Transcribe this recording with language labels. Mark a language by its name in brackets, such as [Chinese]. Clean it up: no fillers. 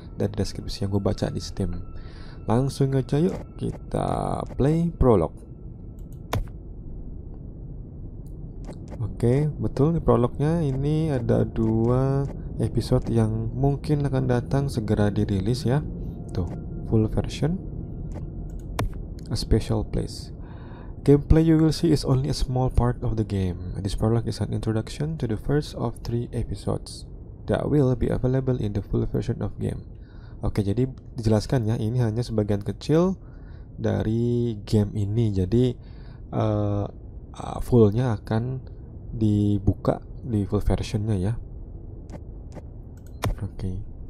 [Indonesian] Dari deskripsi yang gue baca di Steam. Langsung aja yuk kita play prolog. Oke, betul nih prolognya. Ini ada 2 episode yang mungkin akan datang segera dirilis ya. [English] Tuh, full version. A special place. Gameplay you will see is only a small part of the game. This prolog is an introduction to the first of 3 episodes that will be available in the full version of game. [Indonesian] Oke, jadi dijelaskan ya, ini hanya sebagian kecil dari game ini. Jadi fullnya akan dibuka di full versionnya ya. Oke.